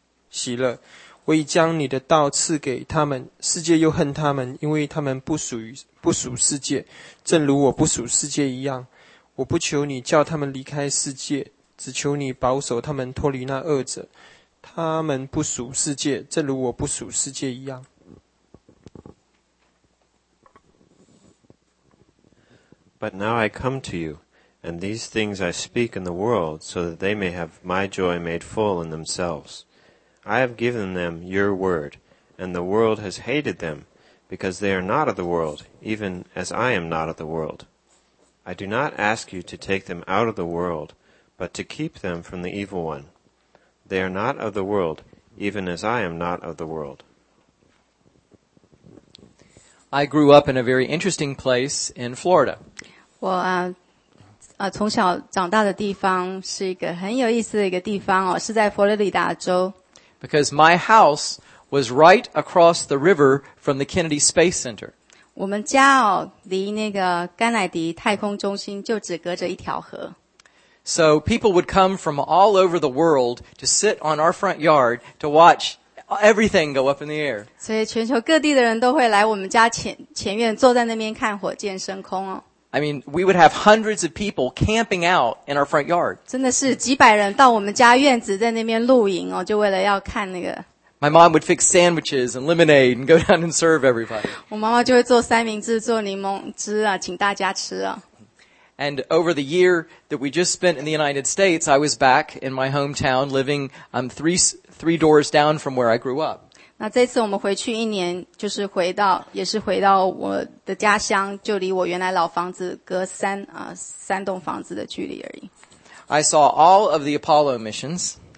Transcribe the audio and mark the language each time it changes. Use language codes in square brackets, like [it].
[zh] 喜乐，我已将你的道赐给他们，世界又恨他们，因为他们不属世界，正如我不属世界一样。我不求你叫他们离开世界，只求你保守他们脱离那恶者。他们不属世界，正如我不属世界一样。 [en] But now I come to you, and these things I speak in the world, so that they may have my joy made full in themselves. I have given them your word, and the world has hated them, because they are not of the world, even as I am not of the world. I do not ask you to take them out of the world, but to keep them from the evil one. They are not of the world, even as I am not of the world. I grew up in a very interesting place in Florida. [zh] 我从小长大的地方是一个很有意思的一个地方哦，是在佛罗里达州。 [en] Because my house was right across the river from the Kennedy Space Center. [zh] 我们家哦，离那个甘乃迪太空中心就只隔着一条河。 [en] So people would come from all over the world to sit on our front yard to watch everything go up in the air. [zh] 所以全球各地的人都会来我们家前院坐在那边看火箭升空哦。 [en] I mean, we would have hundreds of people camping out in our front yard. [zh] 真的是几百人到我们家院子在那边露营哦，就为了要看那个。 [en] My mom would fix sandwiches and lemonade and go down and serve everybody. [zh] 我妈妈就会做三明治，做柠檬汁啊，请大家吃啊。 [en] And over the year that we just spent in the United States, I was back in my hometown living three doors down from where I grew up. [zh] 那这次我们回去一年，就是回到我的家乡，就离我原来老房子隔三栋房子的距离而已。 [en] I saw all of the Apollo missions.